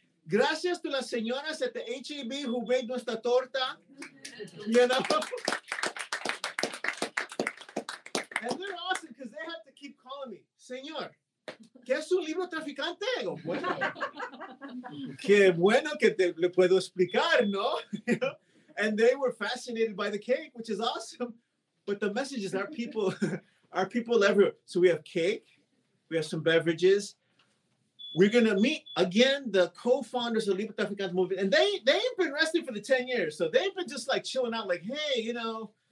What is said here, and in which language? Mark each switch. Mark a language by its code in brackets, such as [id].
[en] Gracias to [es] las señoras [en] at the HEB who made [es] nuestra torta. [en] You know? And they're awesome because they have to keep calling me. [es] Señor, ¿qué es un libro traficante? Digo, bueno. Qué bueno que te le puedo explicar, ¿no? [en] And they were fascinated by the cake, which is awesome. But the message is our people everywhere. So we have cake. We have some beverages. We're going to meet, again, the co-founders of the Libro Traficante movement. And they ain't been resting for the 10 years. So they've been just, like, chilling out, like, hey, you know,